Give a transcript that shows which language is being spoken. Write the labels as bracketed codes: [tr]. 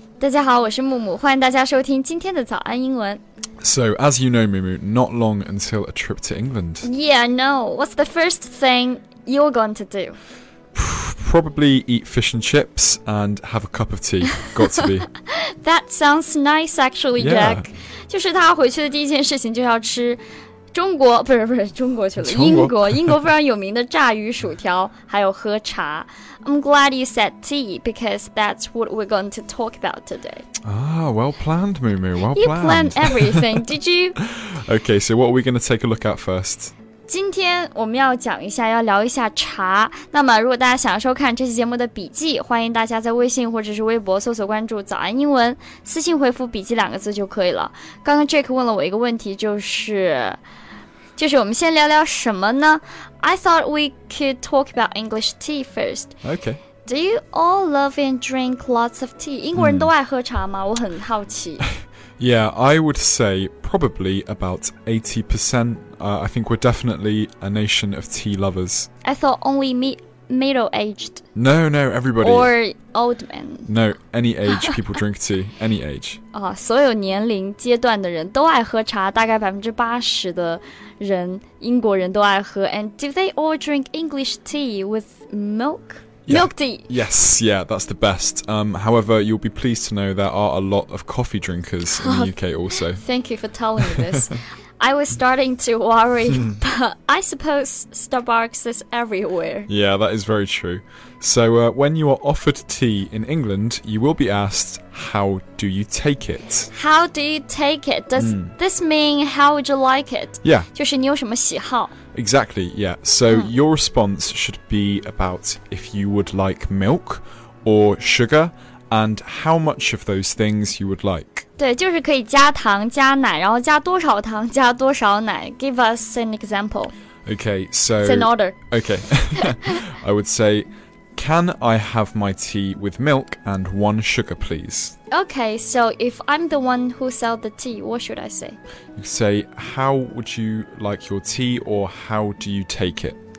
[zh] 大家好，我是木木，欢迎大家收听今天的早安英文。 [en] So, as you know, Mumu, not long until a trip to England. Yeah, I know. What's the first thing you're going to do? Probably eat fish and chips and have a cup of tea. Got to be. That sounds nice, actually, Jack. Yeah. [zh] 就是他回去的第一件事情就要吃中国，不是不是中国去了，英国，英国非常有名的炸鱼薯条，还有喝茶。 [en] I'm glad you said tea, because that's what we're going to talk about today. Ah, well planned, Mumu, well planned. You planned everything, did you? Okay, so what are we going to take a look at first? [zh] 今天我们要讲一下，要聊一下茶。那么如果大家想收看这期节目的笔记，欢迎大家在微信或者是微博搜索关注早安英文，私信回复笔记两个字就可以了。刚刚 Jake 问了我一个问题，就是我们先聊聊什么呢？ [en] I thought we could talk about English tea first. Okay. Do you all love and drink lots of tea? [zh] 英国人都爱喝茶吗？我很好奇。 [en] Yeah, I would say probably about 80%. I think we're definitely a nation of tea lovers. I thought only middle-aged. No, no, everybody. Or old men. No, any age people drink tea. Any age. [zh] 所有年龄阶段的人都爱喝茶，大概80%的人，英国人都爱喝。 [en] And do they all drink English tea with milk? Yeah. Milk tea. Yes, yeah, that's the best. However, you'll be pleased to know there are a lot of coffee drinkers in the UK also. Thank you for telling me this. I was starting to worry, but I suppose Starbucks is everywhere. Yeah, that is very true. So, when you are offered tea in England, you will be asked, how do you take it? How do you take it? Does this mean, how would you like it? Yeah. [zh] 就是你有什么喜好。 [en] Exactly, yeah. So, your response should be about if you would like milk or sugar, and how much of those things you would like. [zh] 对，就是可以加糖加奶，然后加多少糖加多少奶。 [en] Give us an example. Okay, so it's an order. Okay, I would say, can I have my tea with milk and one sugar, please? Okay, so if I'm the one who sell the tea, what should I say? You say, how would you like your tea, or how do you take it?